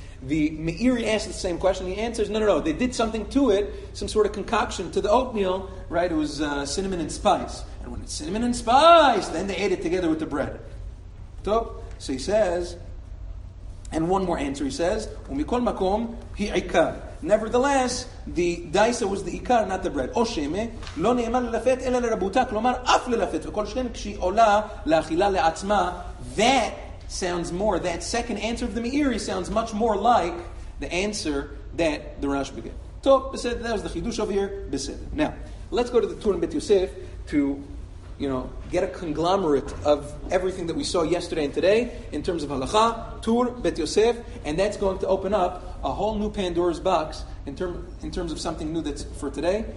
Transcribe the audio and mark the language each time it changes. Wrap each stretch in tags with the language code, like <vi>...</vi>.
<en>The Meiri asks the same question. He answers, no. They did something to it, some sort of concoction to the oatmeal, right? It was cinnamon and spice. And when it's cinnamon and spice, then they ate it together with the bread. So he says... And one more answer, he says,</en> <he>ומכל מקום, היא עיקר.</he> <en>Nevertheless, the daisa was the ikar, not the bread.</en> <he>או שמה, לא נאמר ללפת, אלא לרבותה, כלומר, אף ללפת, וכל שכן כשהיא עולה לאכילה לעצמה.</he> <en>That sounds more, that second answer of the Meiri sounds much more like the answer that the Rashi began.</en> <he>טוב, בסדר,</he> <en>that was the chidush over here, בסדר. Now, let's go to the Turin Bet Yosef to you know, get a conglomerate of everything that we saw yesterday and today in terms of halakha, tur, bet yosef, and that's going to open up a whole new Pandora's box in terms of something new that's for today.</en>